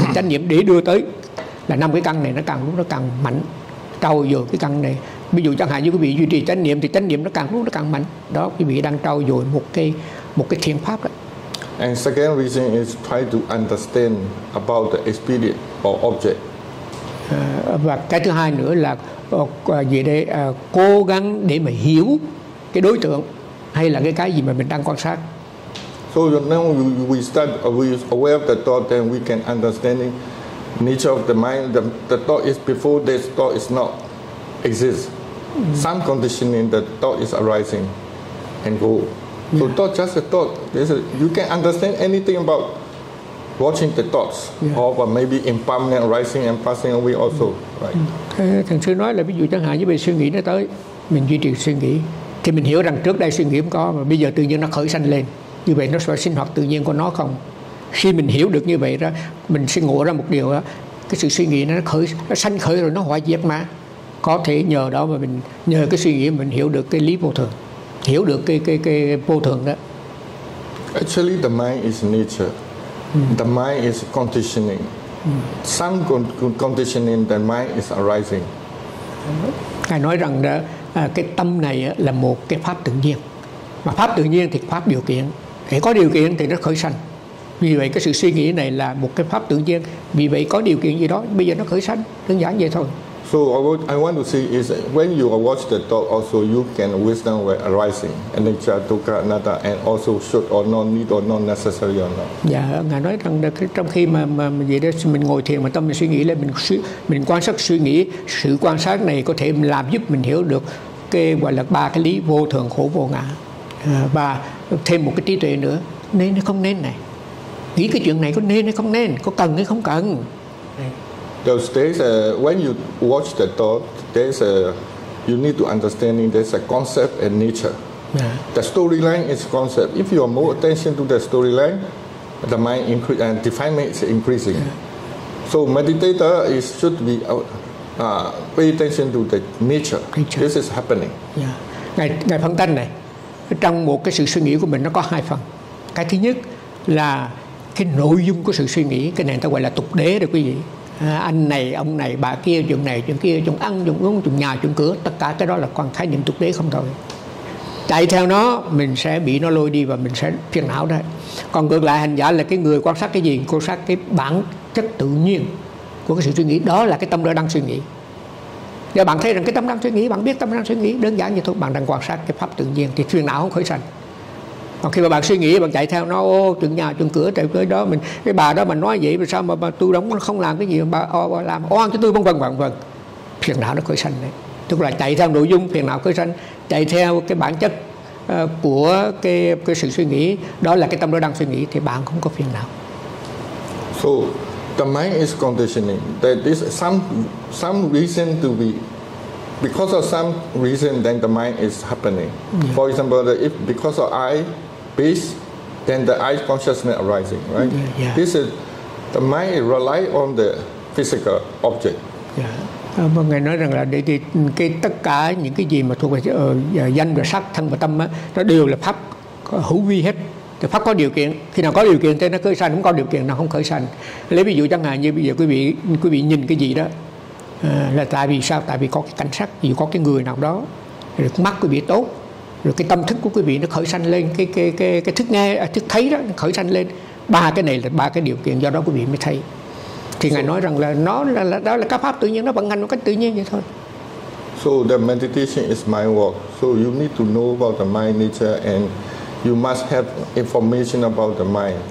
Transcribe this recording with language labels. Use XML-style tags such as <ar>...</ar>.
<vi>Chánh niệm để đưa tới là năm cái căn này nó càng lúc nó càng mạnh, trau dồi cái căn này. Ví dụ chẳng hạn như quý vị duy trì chánh niệm thì chánh niệm nó càng lúc nó càng mạnh. Đó, quý vị đang trau dồi một cái thiền pháp đó.</vi> <en>And second reason is try to understand about the experience or object.</en> <vi>Và cái thứ hai nữa là gì đây, cố gắng để mà hiểu cái đối tượng hay là cái gì mà mình đang quan sát.</vi> <en>So now we start aware of the thought, then we can understanding nature of the mind. The thought is before this thought is not exist. Some conditioning the thought is arising and go. So thought just a thought. You can understand anything about watching the thoughts, or maybe impermanent rising and passing away also, right?</en> <vi>Thầy sư nói là ví dụ chẳng hạn như về suy nghĩ nó tới, mình duy trì suy nghĩ, thì mình hiểu rằng trước đây suy nghĩ cũng có, mà bây giờ tự nhiên nó khởi sanh lên, như vậy nó phải sinh hoạt tự nhiên của nó không? Khi mình hiểu được như vậy đó, mình sẽ ngộ ra một điều đó, cái sự suy nghĩ nó sanh khởi rồi nó hoại diệt mà, có thể nhờ đó mà mình nhờ cái suy nghĩ mình hiểu được cái lý vô thường. Hiểu được cái vô thường đó.</vi> <en>Actually the mind is nature. The mind is conditioning. Some conditioning the mind is arising.</en> <vi>Ngài nói rằng đó, cái tâm này là một cái pháp tự nhiên. Mà pháp tự nhiên thì pháp điều kiện. Để có điều kiện thì nó khởi sanh. Vì vậy cái sự suy nghĩ này là một cái pháp tự nhiên. Vì vậy có điều kiện gì đó, bây giờ nó khởi sanh. Đơn giản vậy thôi.</vi> <en>So what I want to see is when you watch the talk, also you can wisdom arising, and then chat to Karnata, and also should or not need or not necessary or not.</en> <vi>Dạ, ngài nói rằng trong khi mà vậy đó, mình ngồi thiền mà tâm mình suy nghĩ lên, mình quan sát suy nghĩ, sự quan sát này có thể làm giúp mình hiểu được cái gọi là ba cái lý vô thường, khổ, vô ngã, và thêm một cái trí tuệ nữa, nên hay không nên này, nghĩ cái chuyện này có nên hay không nên, có cần hay không cần.</vi> <en>Those days, when you watch the thought, there's a you need to understand there's a concept and nature. Yeah. The storyline is concept. If you are more attention to the storyline, the mind increase and definition is increasing. Yeah. So meditator is should be pay attention to the nature. This is happening. Yeah.</en> <vi>Ngài phân tích này, trong một cái sự suy nghĩ của mình nó có hai phần. Cái thứ nhất là cái nội dung của sự suy nghĩ, cái này ta gọi là tục đế đó quý vị. Anh này, ông này, chuyện kia, chuyện ăn, chuyện uống, chuyện nhà, chuyện cửa, tất cả cái đó là quan khái niệm tục đế không thôi. Chạy theo nó, mình sẽ bị nó lôi đi và mình sẽ phiền não đấy. Còn ngược lại, hành giả là cái người quan sát cái gì? Quan sát cái bản chất tự nhiên của cái sự suy nghĩ. Đó là cái tâm đó đang suy nghĩ. Nếu bạn thấy rằng cái tâm đang suy nghĩ, bạn biết tâm đang suy nghĩ, đơn giản như thôi, bạn đang quan sát cái pháp tự nhiên thì phiền não không khởi sanh. Còn khi mà bạn suy nghĩ, bạn chạy theo nó, ô, chuyện nhà, chuyện cửa, chạy tới đó, mình cái bà đó mà nói vậy, sao mà tôi đóng không làm cái gì, bà làm oan cho tôi, vân vân. Phiền não nó khởi sanh đấy. Tức là chạy theo nội dung, phiền não khởi sanh, chạy theo cái bản chất của cái sự suy nghĩ, đó là cái tâm nó đang suy nghĩ, thì bạn không có phiền não.</vi> <en>So, the mind is conditioning. There is some reason to be... Because of some reason, then the mind is happening. Yeah. For example, if because of I, peace, then the I consciousness arising, right? Yeah, yeah. This is the mind rely on the physical object. Yeah.</en> <vi>Ngài nói rằng là cái tất cả những cái gì mà thuộc về danh và sắc, thân và tâm á, nó đều là pháp hữu vi hết. Thì pháp có điều kiện, khi nào có điều kiện thì nó khởi sanh, không có điều kiện nó không khởi sanh. Lấy ví dụ chẳng hạn như bây giờ quý vị nhìn cái gì đó. Là tại vì sao? Tại vì có cái cảnh sắc, có cái người nào đó, rồi mắt quý vị tốt, rồi cái tâm thức của quý vị nó khởi sanh lên, cái thức nghe, thức thấy đó nó khởi sanh lên. Ba cái này là ba cái điều kiện, do đó quý vị mới thấy. Thì ngài nói rằng là nó là đó là các pháp tự nhiên, nó vận hành một cách tự nhiên vậy thôi.</vi> <en>So the meditation is mind work. So you need to know about the mind nature and you must have information about the mind.</en>